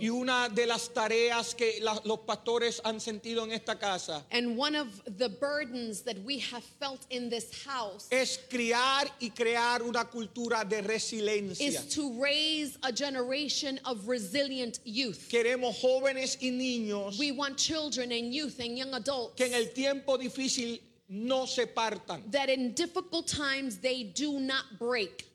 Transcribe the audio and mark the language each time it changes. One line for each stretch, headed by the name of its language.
Spanish: Y una de las tareas que los pastores han sentido en esta casa.
English: And one of the burdens that we have felt in this house.
Spanish: Es criar y crear una cultura de resiliencia.
English: Is to raise a generation of resilient youth.
Spanish: Queremos jóvenes y niños.
English: We want children and youth and young adults.
Spanish: Que en el tiempo difícil no se partan.
English: That in difficult times they do not break.